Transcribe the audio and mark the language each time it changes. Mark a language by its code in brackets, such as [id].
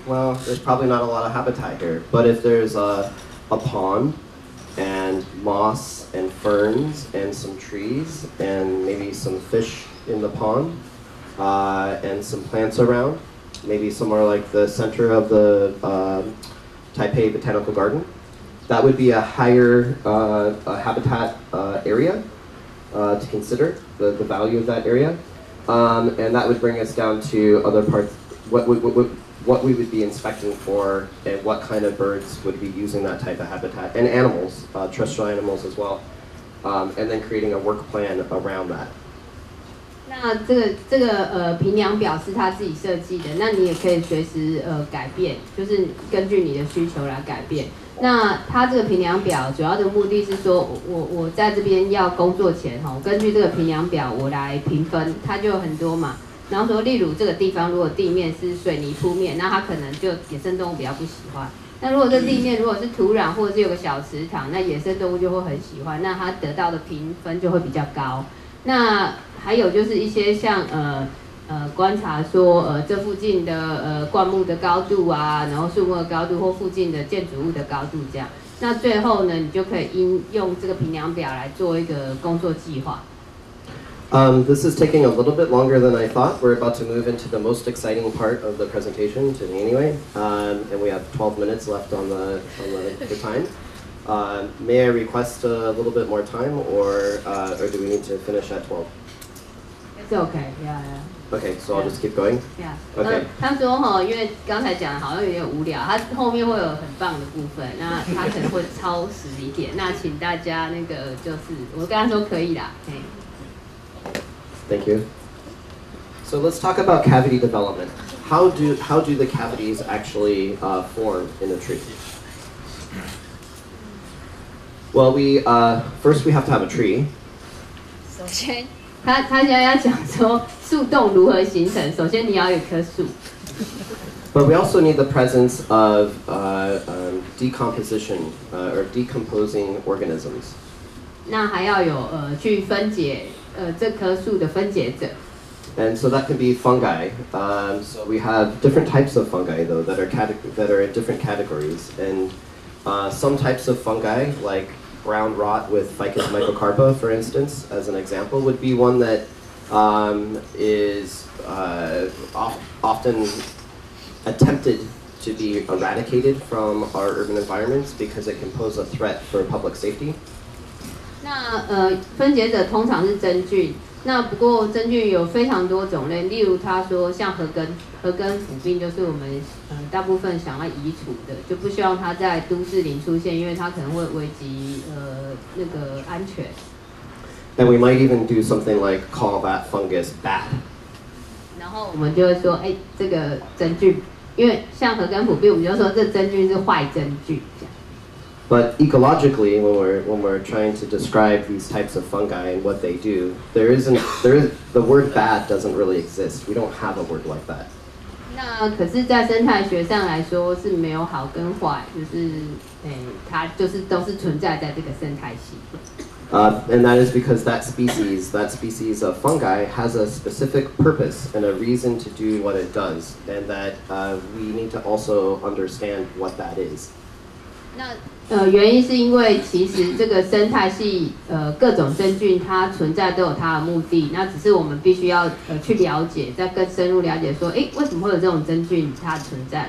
[en] Well, there's probably not a lot of habitat here. But if there's a pond and moss and ferns and some trees and maybe some fish in the pond and some plants around, maybe somewhere like the center of the Taipei Botanical Garden, that would be a higher a habitat area to consider, the value of that area. And that would bring us down to other parts, what we would be inspecting for, and what kind of birds would be using that type of habitat, and animals, terrestrial animals as well, and then creating a work plan around that. [zh] 那这个评量表是他自己设计的，那你也可以随时改变，就是根据你的需求来改变。那他这个评量表主要的目的是说我在这边要工作前齁，根据这个评量表我来评分，他就有很多嘛，然后说例如这个地方如果地面是水泥铺面，那他可能就野生动物比较不喜欢，那如果这地面如果是土壤或者是有个小池塘，那野生动物就会很喜欢，那他得到的评分就会比较高。那还有就是一些像观察说这附近的灌木的高度啊，然后树木的高度或附近的建筑物的高度这样，那最后呢你就可以应用这个评量表来做一个工作计划。 [en] This is taking a little bit longer than I thought. We're about to move into the most exciting part of the presentation to me anyway. And we have 12 minutes left on the time. May I request a little bit more time or do we need to finish at 12? It's okay. Yeah. Okay, so I'll just keep going. Yeah. Okay. [zh] 他说哈，因为刚才讲的好像有点无聊，他后面会有很棒的部分，那他可能会超时一点。那请大家那个就是，我跟他说可以啦。 [en] Thank you. So let's talk about cavity development. How do the cavities actually form in a tree? Well, we first we have to have a tree. [zh] 首先。他现在要讲说树洞如何形成，首先你要有棵树。 [en] But we also need the presence of decomposition or decomposing organisms. [zh] 那还要有去分解这棵树的分解者。 [en] And so that could be fungi. So we have different types of fungi though that are in different categories. And some types of fungi like. Brown rot with Ficus microcarpa, for instance, as an example, would be one that is often attempted to be eradicated from our urban environments because it can pose a threat for public safety. [zh] 那分解者通常是真菌，那不过真菌有非常多种类，例如他说像核根腐病就是我们大部分想要移除的，就不希望它在都市里出现，因为它可能会危及那个安全。 [en] And we might even do something like call that fungus bad. [zh] 然后我们就会说，哎，这个真菌，因为像核根腐病，我们就说这真菌是坏真菌。 [en] But ecologically, when we're trying to describe these types of fungi and what they do, the word bad doesn't really exist. We don't have a word like that. [zh] 那可是，在生态学上来说是没有好跟坏，就是它就是都是存在在这个生态系。 [en] And that is because that species of fungi has a specific purpose and a reason to do what it does, and that we need to also understand what that is. [zh] 那原因是因为其实这个生态系各种真菌它存在都有它的目的，那只是我们必须要去了解，再更深入了解说，哎，为什么会有这种真菌它存在？